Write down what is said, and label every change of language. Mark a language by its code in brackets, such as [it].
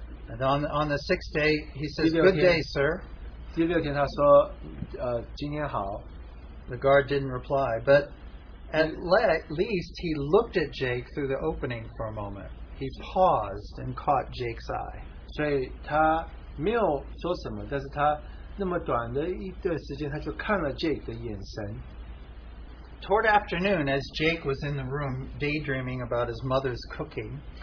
[en] And on the sixth day, he says, "Good day, sir." [zh] 第六天他说，今天好。 [en] The guard didn't reply, but at least he looked at Jake through the opening for a moment. He paused and caught Jake's eye. [zh] 所以他没有说什么，但是他那么短的一段时间，他就看了Jake的眼神。 [en] Toward afternoon, as Jake was in the room daydreaming about his mother's cooking,